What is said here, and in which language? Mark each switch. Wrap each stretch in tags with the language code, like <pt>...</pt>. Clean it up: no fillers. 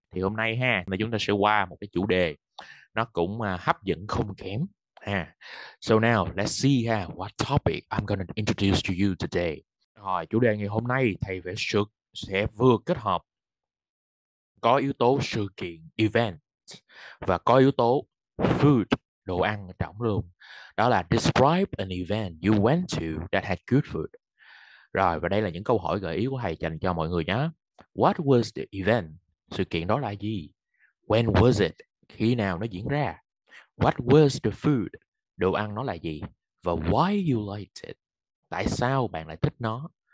<vi>Thì hôm nay ha, mà chúng ta sẽ qua một cái chủ đề nó cũng hấp dẫn không kém ha.</vi> <en>So now, let's see ha, what topic I'm gonna introduce to you today.</en> <vi>Rồi, chủ đề ngày hôm nay thầy sẽ vừa kết hợp có yếu tố sự kiện event và có yếu tố food, đồ ăn trọng lượng. Đó là</vi> <en>describe an event you went to that had good food.</en> <vi>Rồi, và đây là những câu hỏi gợi ý của thầy dành cho mọi người nhé.</vi> <en>What was the event?</en> <vi>Sự kiện đó là gì?</vi> <en>When was it?</en> <vi>Khi nào nó diễn ra?</vi> <en>What was the food?</en> <vi>Đồ ăn nó là gì? Và</vi> <en>why you liked it?</en> <vi>Tại sao bạn lại thích nó?</vi>